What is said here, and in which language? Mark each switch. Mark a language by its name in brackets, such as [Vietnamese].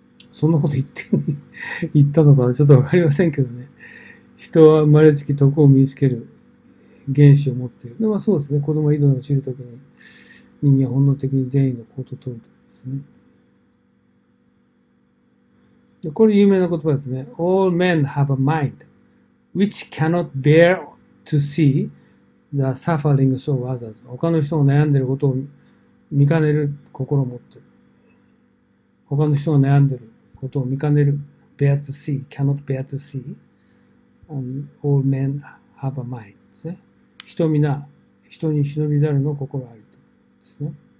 [Japanese] そんなこと言って、言ったのかな、ちょっとわかりませんけどね。人は生まれつき徳を身につける原始を持っている。で、まあそうですね。子供は井戸に落ちるときに人間は本能的に善意の行動を取るんですね。で、これ有名な言葉ですね。 [English] All men have a mind which cannot bear to see the sufferings of others。 [Japanese] 他の人が悩んでいることを見かねる心を持っている。他の人が悩んでいることを見かねる。 [English] bear to see, cannot bear to see。 All men have a mind [Japanese] ですね。人皆、人に忍びざるの心ありとですね。